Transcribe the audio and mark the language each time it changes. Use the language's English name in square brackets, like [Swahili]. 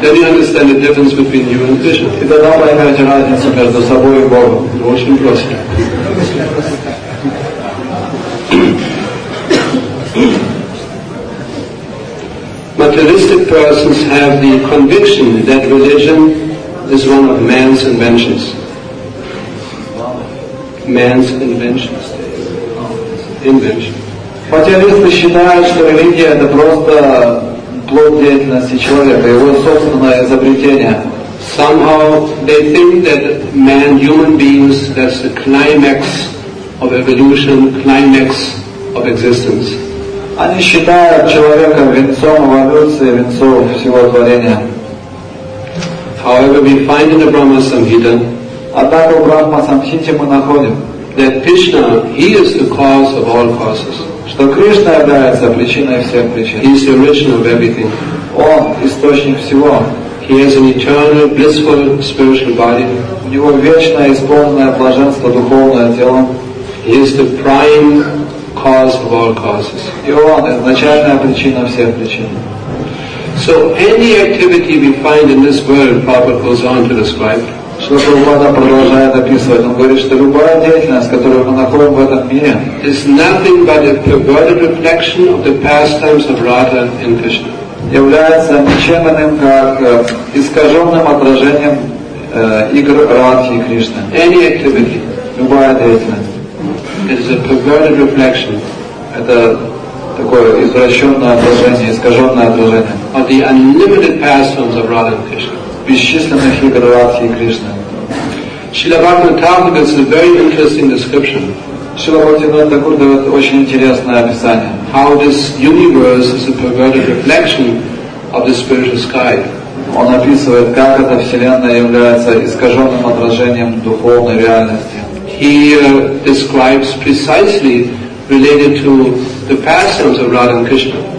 [English] Then you understand the difference between you and Krishna. [Russian] И тогда поймете разницу между собой и Богом. Очень просто. [English] Materialistic persons have the conviction that religion is one of man's inventions. Man's inventions. Invention. [Russian] Материалисты считают, что религия — это просто плод деятельности человека, его собственное изобретение. [English] Somehow they think that man, human beings, that's the climax of evolution, climax of existence. [Russian] Они считают человека венцом эволюции, венцом всего творения. [English] However, we find in the Brahma Samhita, [Russian] однако в Брахма Самхите мы находим, [English] that Krishna, he is the cause of all causes. [Russian] Что Кришна является причиной всех причин. [English] He is the origin of everything. [Russian] Он источник всего. [English] He has an eternal, blissful spiritual body. [Russian] У него вечное исполненное блаженство духовное тело. [English] He is the prime cause of all causes. [Russian] И он изначальная причина всех причин. [English] So any activity we find in this world, Prabhupada goes on to describe. [Russian] Что Прабхупада продолжает описывать. Он говорит, что любая деятельность, которую мы находим в этом мире, [English] is nothing but a perverted reflection of the pastimes of Radha and Krishna. [Russian] Является ничем иным, как искаженным отражением игр Радхи и Кришны. [English] Any activity. [Russian] Любая деятельность. [English] Is a perverted reflection. [Russian] Это такое извращенное отражение, искаженное отражение. [English] Of the unlimited pastimes of Radha and Krishna. [Russian] Бесчисленных игр Радхи и Кришны. [English] Srila Bhaktivinoda Thakur gives a very interesting description. [Russian] Шрила Такур дает очень интересное описание. [English] How this universe is a perverted reflection of the spiritual sky. [Russian] Он описывает, как эта вселенная является искаженным отражением духовной реальности. [English] He describes precisely related to the pastimes of Radha and Krishna.